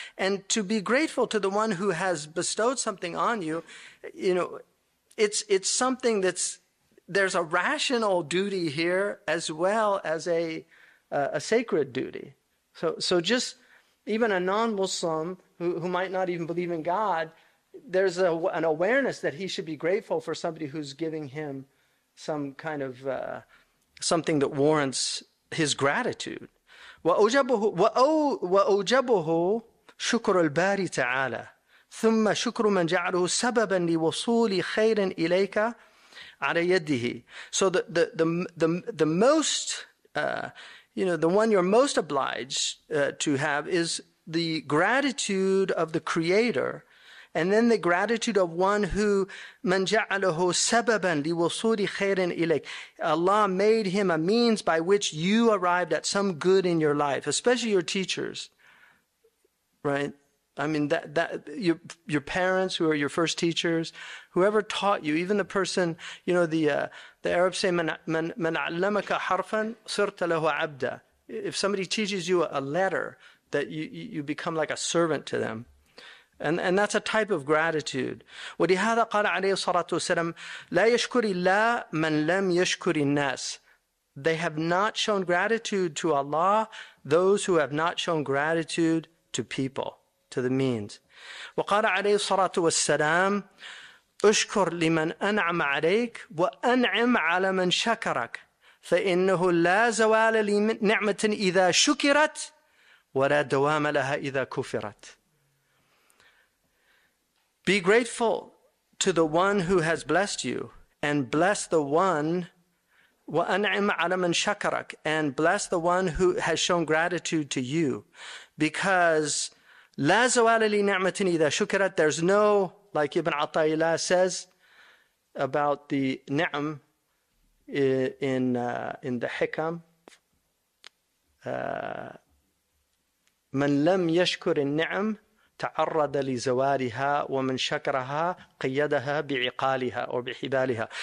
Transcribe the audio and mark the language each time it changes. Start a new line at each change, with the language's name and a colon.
English: And to be grateful to the one who has bestowed something on you, you know, it's something that's, there's a rational duty here as well as a sacred duty. So just even a non-Muslim who might not even believe in God, there's an awareness that he should be grateful for somebody who's giving him some kind of something that warrants his gratitude.
Arabic: وَأُجَبُهُ شُكْرُ الْبَارِ تَعَالَى ثم شكر من جعله سببا لوصول خير إليك على يده.
English: So the most you know, the one you're most obliged to have is the gratitude of the creator, and then the gratitude of one who
Arabic: من جعله سببا لوصول خير إليك.
English: Allah made him a means by which you arrived at some good in your life, especially your teachers, right? I mean, that your parents, who are your first teachers, whoever taught you, even the person, you know, the Arabs say,
Arabic: man 'allamaka harfan sirta lahu 'abda.
English: If somebody teaches you a letter, that you become like a servant to them. And that's a type of gratitude.
Arabic: وَلِهَذَا قَالَ عَلَيْهِ الصَّلَاةُ وَالسَّلَامُ لَا يَشْكُرِ اللَّهَ مَنْ لَمْ يَشْكُرِ النَّاسِ.
English: They have not shown gratitude to Allah, those who have not shown gratitude to people, to the means.
Arabic: وقال عليه الصلاة والسلام أشكر لمن أنعم عليك وأنعم على من شكرك فإنه لا زوال لنعمة إذا شكرت ولا دوام لها إذا كفرت.
English: Be grateful to the one who has blessed you, and bless the one,
Arabic: وأنعم على من شكرك,
English: and bless the one who has shown gratitude to you, because
Arabic: لَا زَوَالَ لِنِعْمَةٍ إِذَا شُكْرَتْ.
English: There's no, like Ibn Atayilah says about the ni'm in the hikam,
Arabic: من لم يشكر النعم تعرض لزوالها ومن شكرها قيدها بعقالها
English: or
Arabic: بحبالها.